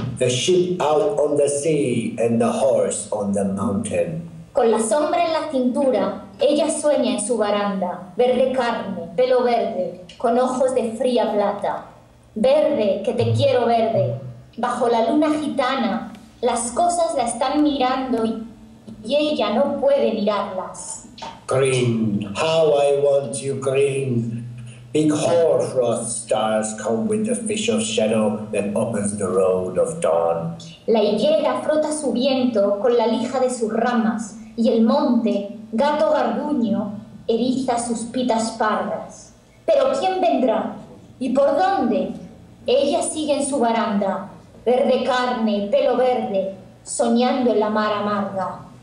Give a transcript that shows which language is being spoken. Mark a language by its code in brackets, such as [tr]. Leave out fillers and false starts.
[en] The ship out on the sea and the horse on the mountain. [es] Con la sombra en la cintura, ella sueña en su baranda. Verde carne, pelo verde, con ojos de fría plata. Verde, que te quiero verde. Bajo la luna gitana, las cosas la están mirando y ella no puede mirarlas. [en] Green, how I want you green. Big hoarfrost stars come with the fish of shadow that opens the road of dawn. [es] La higuera frota su viento con la lija de sus ramas y el monte, gato garduño, eriza sus pitas pardas. Pero ¿quién vendrá? ¿Y por dónde? Ella sigue en su baranda. Verde carne, pelo verde, soñando en la mar amarga.